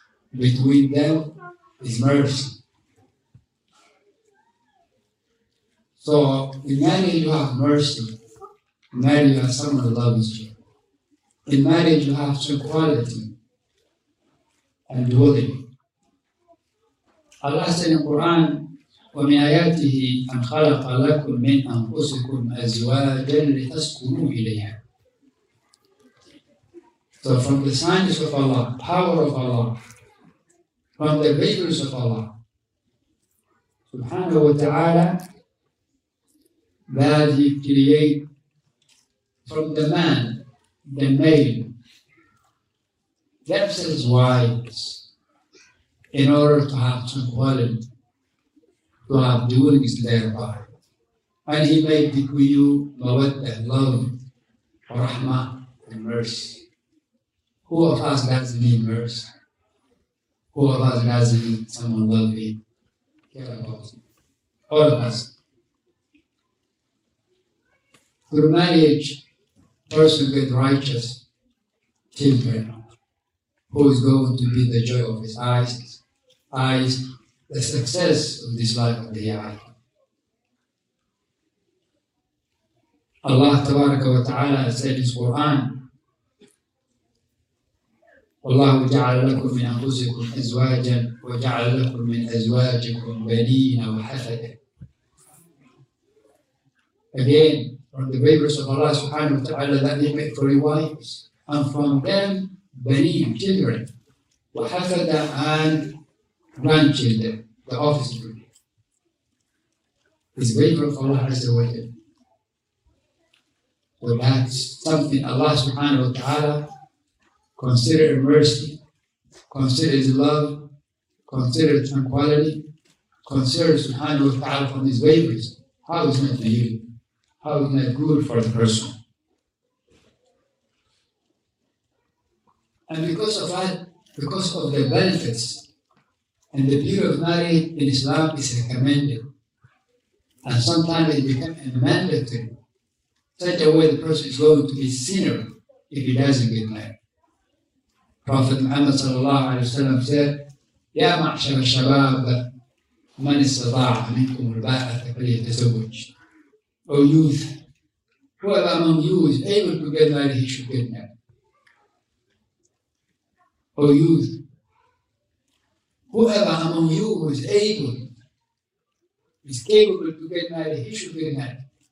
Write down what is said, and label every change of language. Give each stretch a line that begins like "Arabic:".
English: Between them is mercy. So in marriage you have mercy. In marriage you have someone who loves you. In marriage you have tranquility and dwelling. Allah said in the Quran,
Arabic: وَمِنْ آيَاتِهِ أَنْ خَلَقَ لَكُمْ مِنْ أَنْفُسِكُمْ أَزْوَاجًا لِتَسْكُنُوا إِلَيْهَا.
English: So from the signs of Allah, power of Allah, from the favors of Allah, subhanahu wa ta'ala, that He create from the man, the male, themselves wives, in order to have tranquility, to have doings thereby. And He made between you mawadda, love, rahmah, and mercy. Who of us doesn't need mercy? Who of us doesn't need someone lovely? Care about you. All of us. Through marriage, person with righteous temperament, who is going to be the joy of his eyes, the success of this life of the eye. Allah tabaraka wa ta'ala said in the Quran,
Arabic: الله جعل لكم من أنفسكم أزواجا وجعل لكم من أزواجكم بنين وحفدة.
English: Again, from the favors of Allah subhanahu wa ta'ala that He made for your wives, and from them, بنين, children, وحفدة and grandchildren, the offspring. It's favor of Allah Azza wa Jalla. But that's something Allah subhanahu wa ta'ala consider mercy, consider love, consider tranquility, considers Subhanahu wa Ta'ala from these waivers, how is that for you? How is that good for the person? And because of that, because of the benefits and the beauty of marriage in Islam is recommended. And sometimes it becomes mandatory. Such a way the person is going to be sinner if he doesn't get married. Prophet Muhammad sallallahu alayhi wa sallam said,
Arabic: يا معشر الشباب من استطاع منكم الباءة فليتزوج.
English: O youth, whoever among you is able to get married, he should get married. O youth, whoever among you who is able, is capable to get married, he should get married.